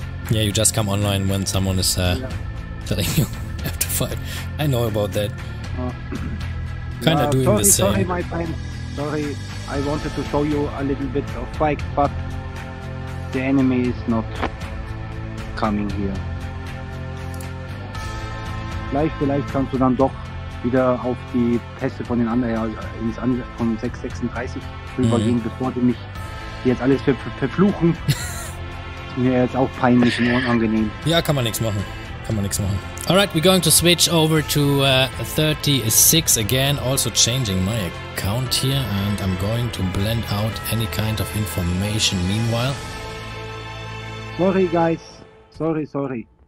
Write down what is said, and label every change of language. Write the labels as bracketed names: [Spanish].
[English] Yeah, you just come online when someone is telling you have to fight. I know about that. Kinda doing the same. Sorry, my friend. Sorry, I wanted to show you a little bit of fight, but the enemy is not coming here. [German] Vielleicht kannst du dann doch wieder auf die Pässe von den anderen, ja, von 636 rübergehen, bevor die mich jetzt alles verfluchen. Mir jetzt auch peinlich und unangenehm. Ja, kann man nichts machen. Kann man nichts machen. [English] Alright, we're going to switch over to 36 again. Also changing my account here, and I'm going to blend out any kind of information meanwhile. Sorry, guys. Sorry.